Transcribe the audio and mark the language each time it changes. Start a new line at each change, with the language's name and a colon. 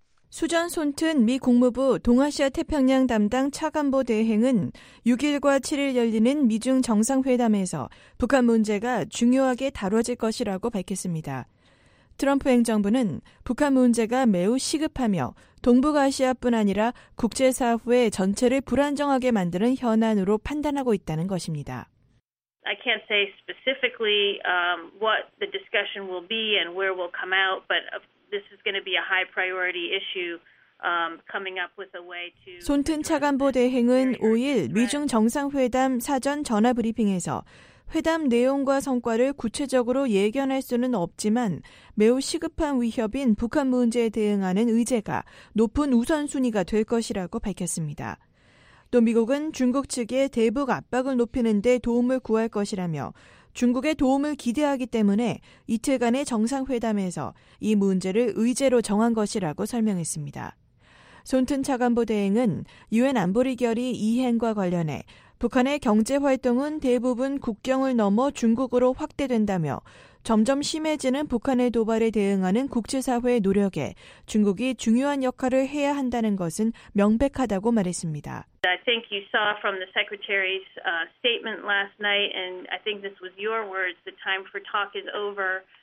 Korean: 수전 손튼 미 국무부 동아시아 태평양 담당 차관보 대행은 6일과 7일 열리는 미중 정상회담에서 북한 문제가 중요하게 다뤄질 것이라고 밝혔습니다. 트럼프 행정부는 북한 문제가 매우 시급하며 동북아시아뿐 아니라 국제사회 전체를 불안정하게 만드는 현안으로 판단하고 있다는 것입니다.
English: I can't say specifically what the discussion will be and where we'll come out, but this is going to be a high priority issue coming up with a way to.
Korean: 손튼 차관보 대행은 5일 미중 정상회담 사전 전화 브리핑에서 회담 내용과 성과를 구체적으로 예견할 수는 없지만 매우 시급한 위협인 북한 문제에 대응하는 의제가 높은 우선순위가 될 것이라고 밝혔습니다. 또 미국은 중국 측의 대북 압박을 높이는 데 도움을 구할 것이라며 중국의 도움을 기대하기 때문에 이틀간의 정상회담에서 이 문제를 의제로 정한 것이라고 설명했습니다. 손튼 차관보 대행은 유엔 안보리 결의 이행과 관련해 북한의 경제 활동은 대부분 국경을 넘어 중국으로 확대된다며 점점 심해지는 북한의 도발에 대응하는 국제사회의 노력에 중국이 중요한 역할을 해야 한다는 것은 명백하다고 말했습니다.
English: I think you saw from the secretary's statement last night, and I think this was your words, the time for talk is over.